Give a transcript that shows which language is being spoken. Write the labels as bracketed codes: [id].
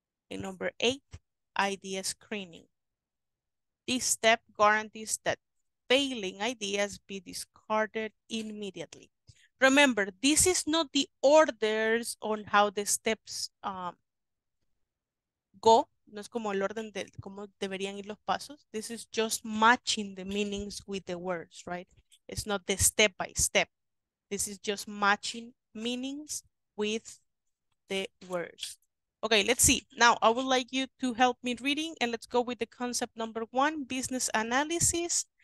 [en] And number 8, idea screening. This step guarantees that failing ideas be discarded immediately. Remember, this is not the orders on how the steps go. [es] No es como el orden de cómo deberían ir los pasos. [en] This is just matching the meanings with the words, right? It's not the step by step. This is just matching meanings with the words. Okay, let's see. Now, I would like you to help me reading, and let's go with the concept number one, business analysis.